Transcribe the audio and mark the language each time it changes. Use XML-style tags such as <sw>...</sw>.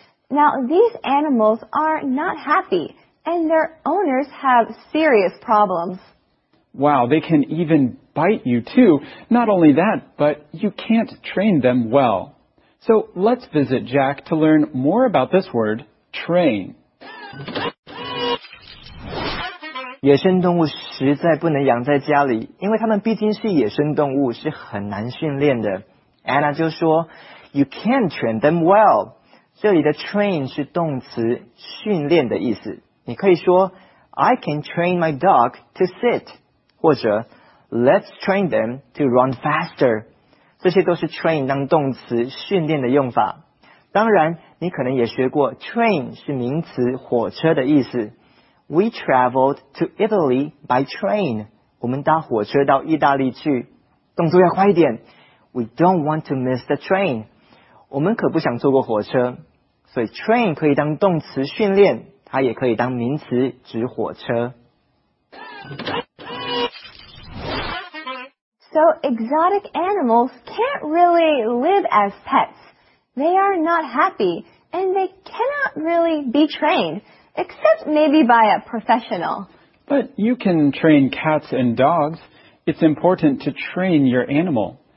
<en>Now, these animals are not happy, and their owners have serious problems. Wow, they can even bite you, too. Not only that, but you can't train them well. So let's visit Jack to learn more about this word, train.</en> <zh>野生动物实在不能养在家里，因为它们毕竟是野生动物，是很难训练的。</zh> <en>Anna</en> <zh>就说</zh> <en>You can't train them well.</en> <zh>这里的 train 是动词，训练的意思。你可以说</zh> <en>I can train my dog to sit,</en> <zh>或者</zh> <en>Let's train them to run faster.</en> <zh>这些都是 train 当动词训练的用法。当然你可能也学过 train 是名词火车的意思。</zh> <en>We traveled to Italy by train.</en> <zh>我们搭火车到意大利去。动作要快一点。</zh> <en>We don't want to miss the train.</en> <zh>我们可不想坐过火车。所以 train 可以当动词训练，它也可以当名词指火车。</zh> <en>So exotic animals can't really live as pets. They are not happy, and they cannot really be trained, except maybe by a professional. But you can train cats and dogs. It's important to train your animal.</en>